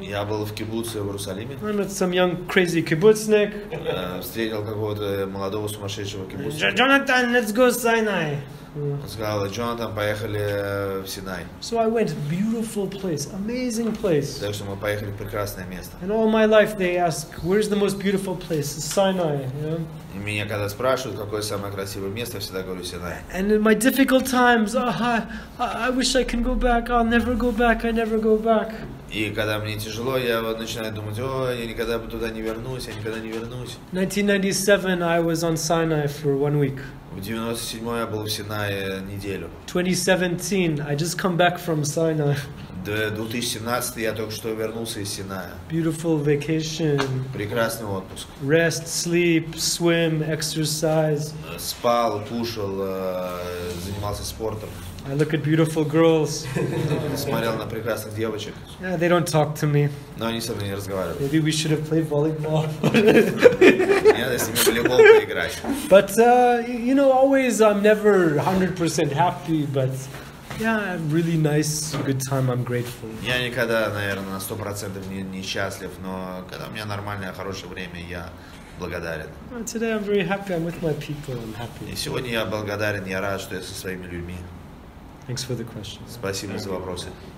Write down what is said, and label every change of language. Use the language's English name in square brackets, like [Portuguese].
[Russian] Я был в кибуце в Иерусалиме. [English] I met some young crazy kibbutznik. [Russian] Встретил какого-то молодого сумасшедшего кибуцника. [English] Jonathan, let's go to Sinai. [Russian] Он сказал: Джонатан, поехали в Синай. [English] So I went, beautiful place, amazing place. [Russian] Так что мы поехали в прекрасное место. [English] And all my life they ask, where is the most beautiful place? Sinai, yeah? [Russian] И меня когда спрашивают, какое самое красивое место, я всегда говорю Синай. [English] And in my difficult times, I wish I can go back. I'll never go back. I never go back. [Russian] И когда мне тяжело, я вот начинаю думать: о, я никогда бы туда не вернусь, я никогда не вернусь. [English] 1997, I was on Sinai for 1 week. [Russian] В 97-м я был в Синае неделю. [English] 2017, I just come back from Sinai. [Russian] 2017 я только что вернулся из Синая. [English] Beautiful vacation. [Russian] Прекрасный отпуск. [English] Rest, sleep, swim, exercise. [Russian] Спал, кушал, занимался спортом. [English] I look at beautiful girls. [Russian] Смотрел на прекрасных девочек. [English] Yeah, they don't talk to me. [Russian] Но они со мной не разговаривают. [English] Maybe we should have played volleyball. [Russian] Надо с ними волейбол поиграть. [English] But you know, always I'm never 100% happy, but yeah, really nice, good time. I'm grateful. [Russian] Я никогда, наверное, на 100% не счастлив, но когда у меня нормальное, хорошее время, я благодарен. [English] Today I'm very happy. I'm with my people. I'm happy. [Russian] И сегодня я благодарен. Я рад, что я со своими людьми. [English] Thanks for the question. [Russian] Спасибо за вопросы.